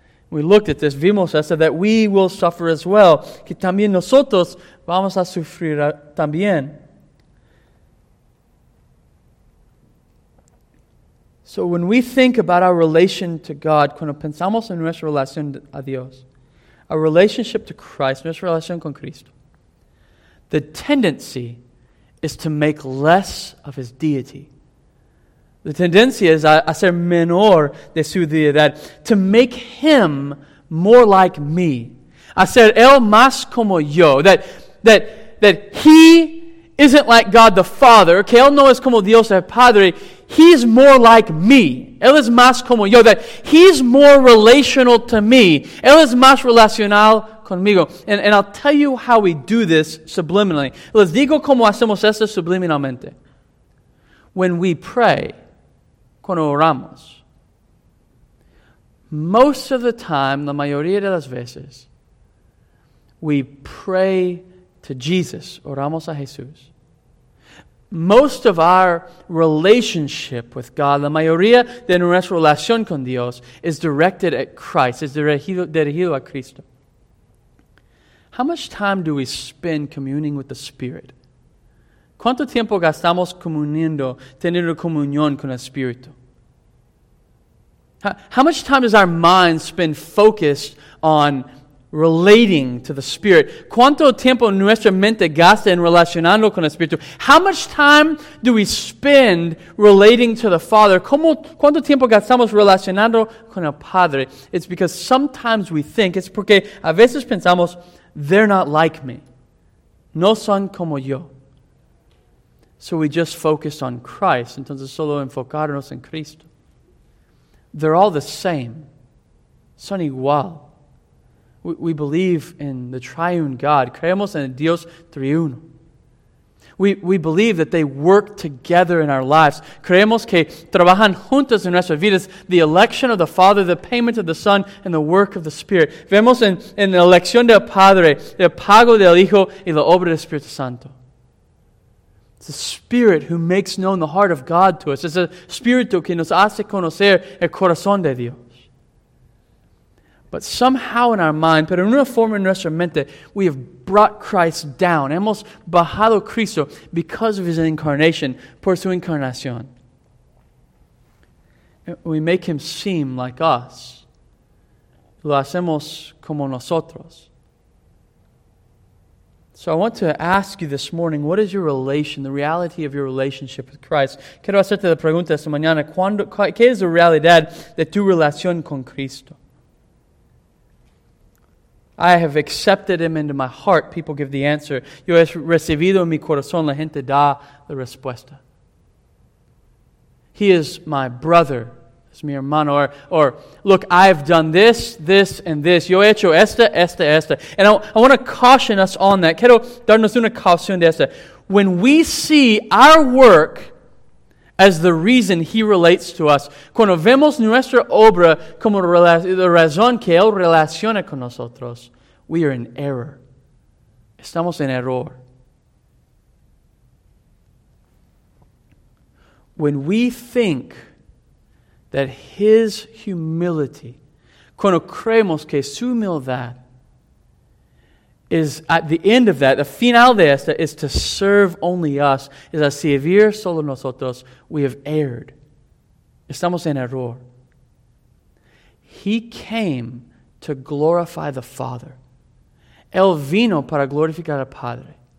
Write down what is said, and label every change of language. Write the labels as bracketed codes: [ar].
[en] We looked at this, [es] vimos esto, [en] that we will suffer as well. [es] Que también nosotros vamos a sufrir también. [en] So when we think about our relation to God, [es] cuando pensamos en nuestra relación a Dios, [en] our relationship to Christ, [es] nuestra relación con Cristo, [en] the tendency is to make less of his deity. [es] La tendencia es a ser menor de su deidad. [en] To make him more like me. [es] A ser él más como yo. [en] That he isn't like God the Father. [es] Que él no es como Dios el Padre. [en] He's more like me. [es] Él es más como yo. [en] That he's more relational to me. [es] Él es más relacional conmigo. [en] And I'll tell you how we do this subliminally. [es] Les digo cómo hacemos esto subliminalmente. [en] When we pray, [es] cuando oramos, [en] most of the time, [es] la mayoría de las veces, [en] we pray to Jesus. [es] Oramos a Jesús. [en] Most of our relationship with God, [es] la mayoría de nuestra relación con Dios, [en] is directed at Christ, [es] is dirigido a Cristo. [en] How much time do we spend communing with the Spirit? [es] ¿Cuánto tiempo gastamos comuniendo, teniendo comunión con el Espíritu? [en] How much time does our mind spend focused on relating to the Spirit? [es] ¿Cuánto tiempo nuestra mente gasta en relacionando con el Espíritu? [en] How much time do we spend relating to the Father? [es] ¿Cuánto tiempo gastamos relacionando con el Padre? [en] It's because sometimes we think, it's [es] porque a veces pensamos, [en] they're not like me. [es] No son como yo. [en] So we just focus on Christ. [es] Entonces solo enfocarnos en Cristo. [en] They're all the same. [es] Son igual. [en] We believe in the triune God. [es] Creemos en Dios triuno. [en] We believe that they work together in our lives. [es] Creemos que trabajan juntos en nuestras vidas. [en] The election of the Father, the payment of the Son, and the work of the Spirit. [es] Vemos en la elección del Padre, el pago del Hijo y la obra del Espíritu Santo. [en] It's the Spirit who makes known the heart of God to us. It's the Spirit [es] que nos hace conocer el corazón de Dios. [en] But somehow in our mind, [es] pero en una forma en nuestra mente, [en] we have brought Christ down. [es] Hemos bajado Cristo [en] because of his incarnation, [es] por su encarnación. [en] We make him seem like us. [es] Lo hacemos como nosotros. [en] So I want to ask you this morning, what is your relation, the reality of your relationship with Christ? [es] Quiero hacerte la pregunta esta mañana, ¿qué es la realidad de tu relación con Cristo? [en] I have accepted him into my heart. People give the answer. [es] Yo he recibido en mi corazón. La gente da la respuesta. [en] He is my brother. [es] Es mi hermano. [en] Or, look, I've done this, this, and this. [es] Yo he hecho esta, esta, esta. [en] And I want to caution us on that. [es] Quiero darnos una caución de esta. [en] When we see our work as the reason he relates to us, [es] cuando vemos nuestra obra como la razón que él relaciona con nosotros, [en] we are in error. [es] Estamos en error. [en] When we think that his humility, [es] cuando creemos que su humildad [en] is at the end of that, the final de esta is to serve only us, is a servir solo nosotros, we have erred. [es] Estamos en error. [en] He came to glorify the Father. [es] Él vino para glorificar al Padre.